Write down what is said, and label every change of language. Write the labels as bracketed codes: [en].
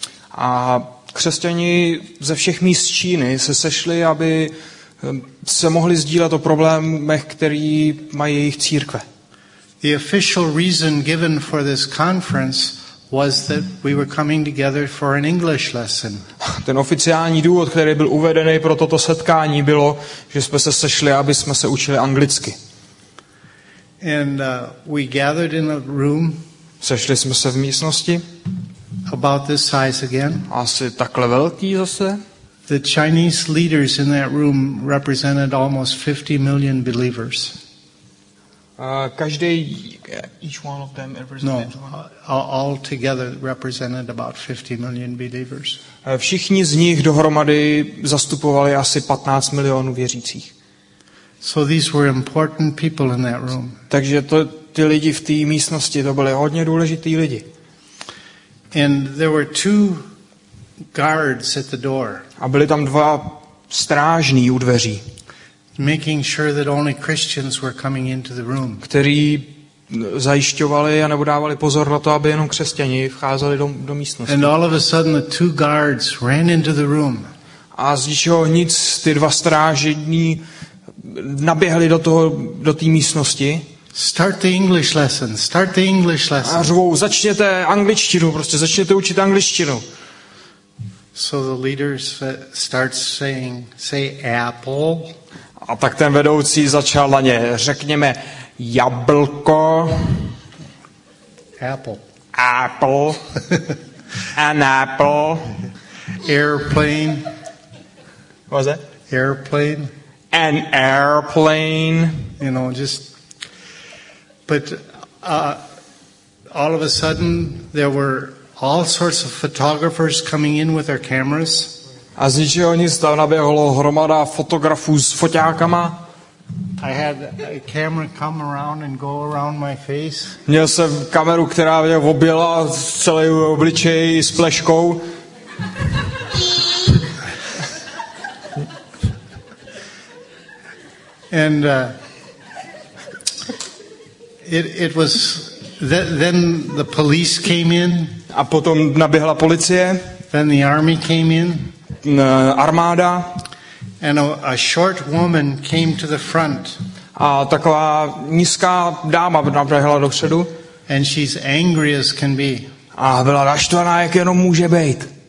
[cs] A křesťani ze všech míst Číny se sešli, aby se mohli sdílet o problémech, který mají jejich církve. [en] The official reason given for this conference was that we were coming together for an English lesson. [cs] Ten oficiální důvod, který byl uvedený pro toto setkání, bylo, že jsme se sešli, aby jsme se učili anglicky. [en] And we gathered in a room. [cs] Sešli jsme se v místnosti. [en] About this size again. [cs] Asi takhle velký zase. [en] The Chinese leaders in that room represented almost 50 million believers. [cs] Každý, [en] each one of them represented. No, all together represented about 50 million believers. [cs] Všichni z nich dohromady zastupovali asi 15 milionů věřících. [en] So these were important people in that room. [cs] Takže to, ty lidi v té místnosti, to byly hodně důležitý lidi. [en] And there were two guards at the door. [cs] A byli tam dva strážní u dveří. [en] Making sure that only Christians were coming into the room. [cs] Kteří zajišťovali a nebo dávali pozor na to, aby jenom křesťani vcházeli do místnosti. [en] And all of a sudden the two guards ran into the room. [cs] A z ničeho nic ty dva strážní naběhli do toho, do té místnosti. [en] Start the English lesson. Start the English lesson. [cs] A řvou, začněte angličtinu, prostě začněte učit angličtinu. [en] So the leader starts saying, say apple. [cs] A tak ten vedoucí začal na ně, řekněme jablko. [en] Apple. Apple. An apple. Airplane. What was that? Airplane. An airplane. You know, just. But all of a sudden there were all sorts of photographers coming in with their cameras. [cs] A z ničeho nic tam naběhlo hromada fotografů s foťákama. [en] I had a camera come around and go around my face. [cs] Měl jsem kameru, která mě objela celý obličej s pleškou. [en] And it was then the police came in. [cs] A potom naběhla policie. [en] Then the army came in. [cs] Armáda. [en] And a short woman came to the front. [cs] A taková nízká dáma naběhla dopředu. [en] And she's angry as can be. [cs] A byla naštvaná, jak jenom může být.